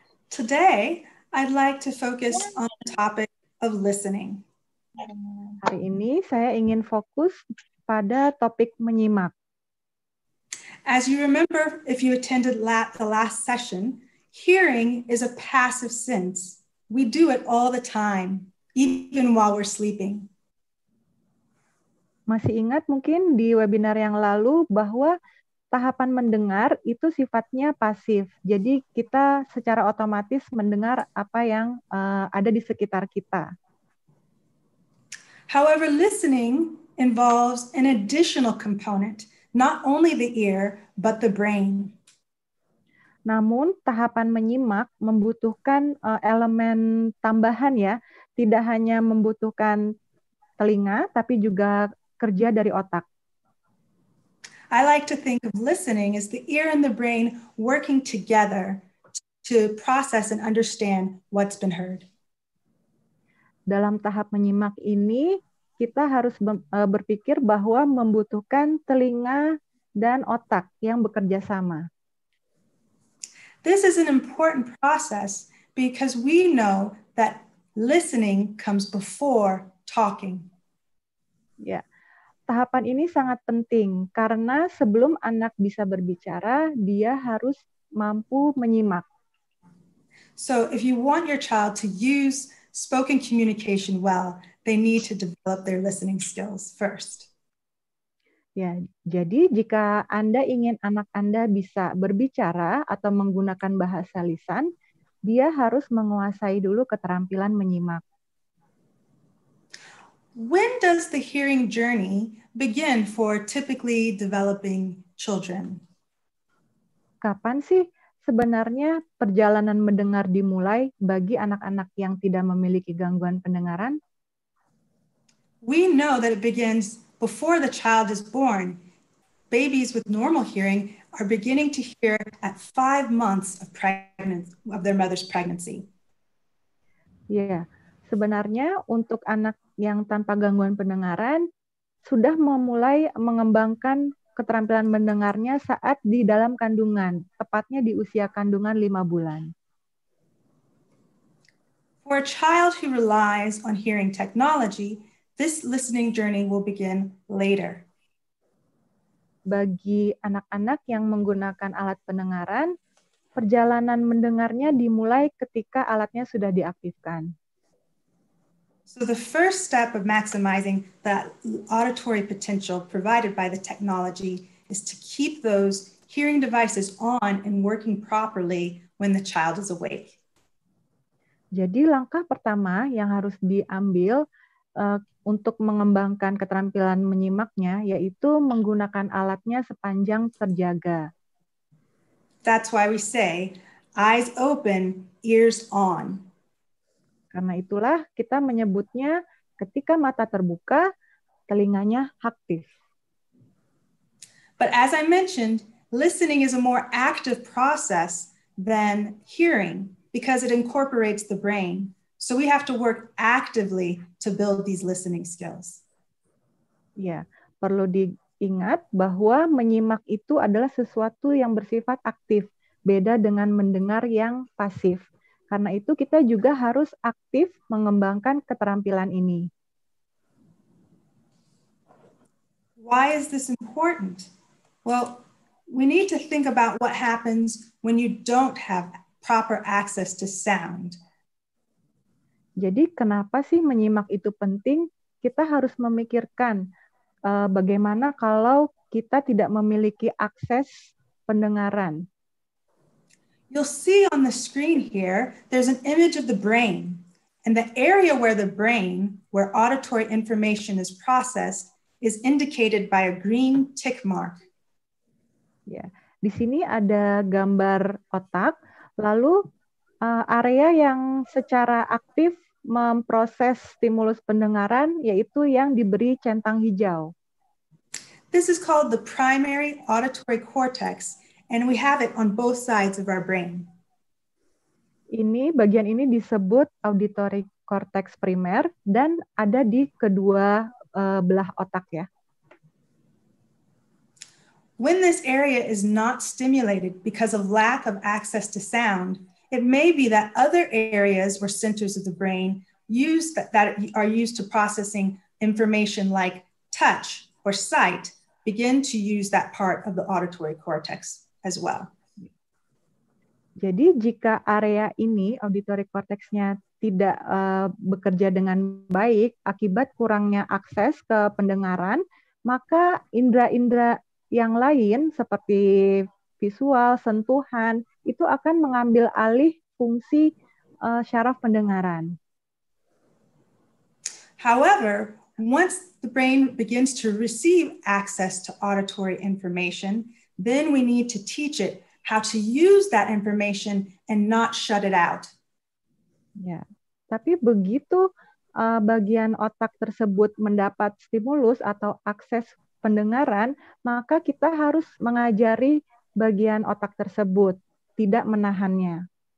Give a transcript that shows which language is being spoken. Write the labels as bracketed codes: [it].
[en] Today, I'd like to focus on the topic of listening. [id] Hari ini saya ingin fokus pada topik menyimak. [en] As you remember, if you attended the last session, hearing is a passive sense. We do it all the time, even while we're sleeping. [id] Masih ingat mungkin di webinar yang lalu bahwa tahapan mendengar itu sifatnya pasif. Jadi kita secara otomatis mendengar apa yang ada di sekitar kita. [en] However, listening involves an additional component, not only the ear, but the brain. [id] Namun, tahapan menyimak membutuhkan elemen tambahan ya. Tidak hanya membutuhkan telinga, tapi juga kerja dari otak. [en] I like to think of listening as the ear and the brain working together to process and understand what's been heard. [id] Dalam tahap menyimak ini, kita harus berpikir bahwa membutuhkan telinga dan otak yang bekerja sama. [en] This is an important process because we know that listening comes before talking. Ya. [id] Tahapan ini sangat penting karena sebelum anak bisa berbicara, dia harus mampu menyimak. [en] So, if you want your child to use spoken communication well, they need to develop their listening skills first. [id] Ya, jadi jika Anda ingin anak Anda bisa berbicara atau menggunakan bahasa lisan, dia harus menguasai dulu keterampilan menyimak. [en] When does the hearing journey begin for typically developing children? [id] Kapan sih sebenarnya perjalanan mendengar dimulai bagi anak-anak yang tidak memiliki gangguan pendengaran? [en] We know that it begins before the child is born. Babies with normal hearing are beginning to hear at 5 months of their mother's pregnancy. [id] Yeah, sebenarnya untuk anak yang tanpa gangguan pendengaran sudah memulai mengembangkan keterampilan mendengarnya saat di dalam kandungan, tepatnya di usia kandungan 5 bulan. [en] For a child who relies on hearing technology, this listening journey will begin later. [id] Bagi anak-anak yang menggunakan alat pendengaran, perjalanan mendengarnya dimulai ketika alatnya sudah diaktifkan. [en] So the first step of maximizing that auditory potential provided by the technology is to keep those hearing devices on and working properly when the child is awake. [id] Jadi langkah pertama yang harus diambil untuk mengembangkan keterampilan menyimaknya yaitu menggunakan alatnya sepanjang terjaga. [en] That's why we say eyes open, ears on. [id] Karena itulah kita menyebutnya ketika mata terbuka, telinganya aktif. [en] But as I mentioned, listening is a more active process than hearing because it incorporates the brain. So we have to work actively to build these listening skills. [id] Ya, perlu diingat bahwa menyimak itu adalah sesuatu yang bersifat aktif, beda dengan mendengar yang pasif. Karena itu kita juga harus aktif mengembangkan keterampilan ini. [en] Why is this important? Well, we need to think about what happens when you don't have proper access to sound. [id] Jadi kenapa sih menyimak itu penting? Kita harus memikirkan bagaimana kalau kita tidak memiliki akses pendengaran. [en] You'll see on the screen here, there's an image of the brain. And the area where the brain, where auditory information is processed, is indicated by a green tick mark. Yeah. [id] Di sini ada gambar otak, lalu area yang secara aktif memproses stimulus pendengaran, yaitu yang diberi centang hijau. [en] This is called the primary auditory cortex. And we have it on both sides of our brain. [id] Ini bagian ini disebut auditory cortex primer dan ada di kedua belah otak ya. [en] When this area is not stimulated because of lack of access to sound, it may be that other areas or centers of the brain use that are used to processing information like touch or sight begin to use that part of the auditory cortex as well. [id] Jadi jika area ini auditory cortex-nya tidak bekerja dengan baik akibat kurangnya akses ke pendengaran, maka indera-indera yang lain seperti visual, sentuhan itu akan mengambil alih fungsi syaraf pendengaran. [en] However, once the brain begins to receive access to auditory information, then we need to teach it how to use that information and not shut it out. [id] Ya, tapi begitu bagian otak tersebut mendapat stimulus atau akses pendengaran, maka kita harus mengajari bagian otak tersebut tidak menahannya.